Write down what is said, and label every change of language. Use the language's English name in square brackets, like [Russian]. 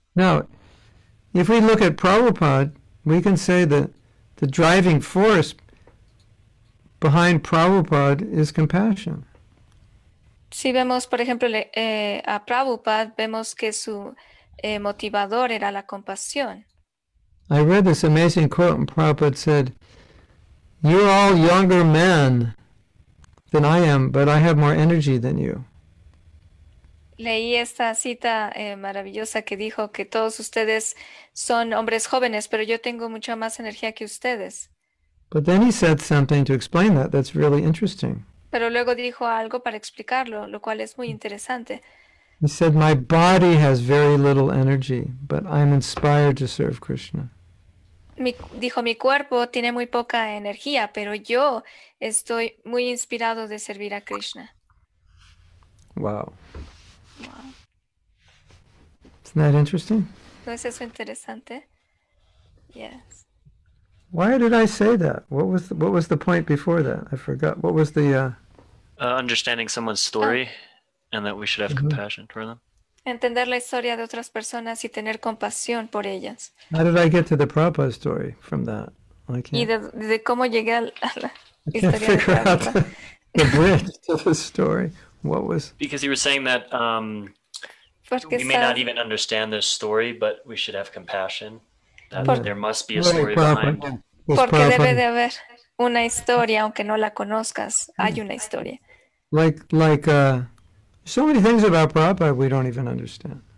[English] Now, if we look at Prabhupada, we can say that the driving force behind Prabhupada is compassion. [Spanish] Si vemos, por ejemplo, a Prabhupada, vemos que su motivador era la compasión. [English] I read this amazing quote, and Prabhupada said, "You're all younger men than I am, but I have more energy than you." [Spanish] Leí esta cita maravillosa que dijo que todos ustedes son hombres jóvenes, pero yo tengo mucha más energía que ustedes. [English] But then he said something to explain that. That's really interesting. [Spanish] Pero luego dijo algo para explicarlo, lo cual es muy interesante. [English] He said, "My body has very little energy, but I'm inspired to serve Krishna." [Spanish] Dijo, mi cuerpo tiene muy poca energía, pero yo estoy muy inspirado de servir a Krishna. [English] Wow. Isn't that interesting? [Spanish] ¿No es eso interesante? [English] Yes. Why did I say that? What was the point before that? I forgot. What was the... Understanding someone's story and that we should have compassion for them. [Spanish] Entender la historia de otras personas y tener compasión por ellas. [English] How did I get to the Prabhupada story from that? I can't. [Spanish] Y de cómo llegué a la historia de Prabhupada. [English] I can't figure out the bridge to the story. What was... Because you were saying that... [Spanish] Porque [English] we may not even understand this story, but we should have compassion. There must be a story behind. [Spanish] Porque debe de haber una historia, aunque no la conozcas. Hay una historia. [English] Like so many things about Prabhupada we don't even understand.